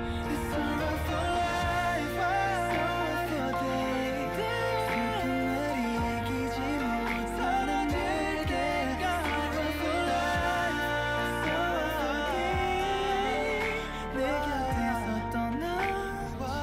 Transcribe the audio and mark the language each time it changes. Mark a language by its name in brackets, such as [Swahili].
[English] It's a wonderful life, a wonderful day. [Korean] 슬픔을 이기지 못하는 내게. [English] It's a wonderful life, a wonderful day. [Korean] 내 곁에서 떠나지마.